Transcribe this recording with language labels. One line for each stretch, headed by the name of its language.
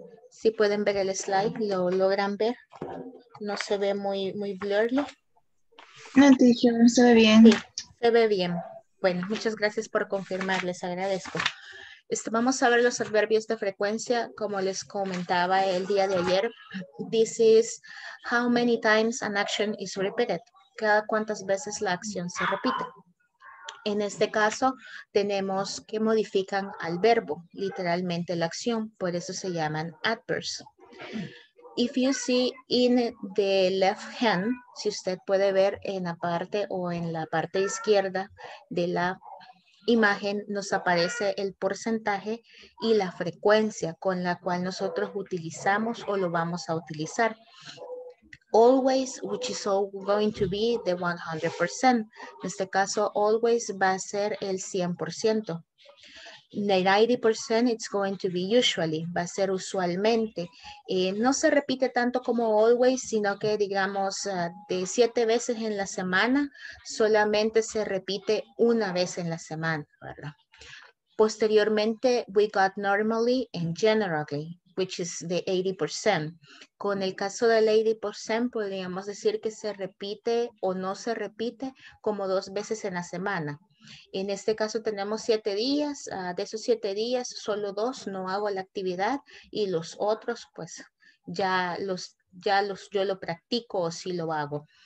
Spanish: ¿Sí pueden ver el slide? ¿Lo logran ver? ¿No se ve muy blurry? No, teacher, se ve bien. Sí, se ve bien. Bueno, muchas gracias por confirmar. Les agradezco. Vamos a ver los adverbios de frecuencia, como les comentaba el día de ayer.
English: This is how many times an action is repeated.
Spanish: Cada cuántas veces la acción se repite. En este caso, tenemos que modifican al verbo, literalmente la acción. Por eso se llaman adverbs.
English: If you see in the left hand,
Spanish: si usted puede ver en la parte o en la parte izquierda de la imagen, nos aparece el porcentaje y la frecuencia con la cual nosotros utilizamos o lo vamos a utilizar.
English: Always, which is all going to be the 100%.
Spanish: En este caso, always va a ser el 100%.
English: 90% it's going to be usually,
Spanish: va a ser usualmente. No se repite tanto como always, sino que digamos de 7 veces en la semana, solamente se repite una vez en la semana, ¿verdad?
English: Posteriormente, we got normally and generally, which is the 80%.
Spanish: Con el caso del 80%, podríamos decir que se repite o no se repite como dos veces en la semana. En este caso tenemos 7 días, de esos 7 días solo 2 no hago la actividad y los otros pues yo lo practico o sí lo hago.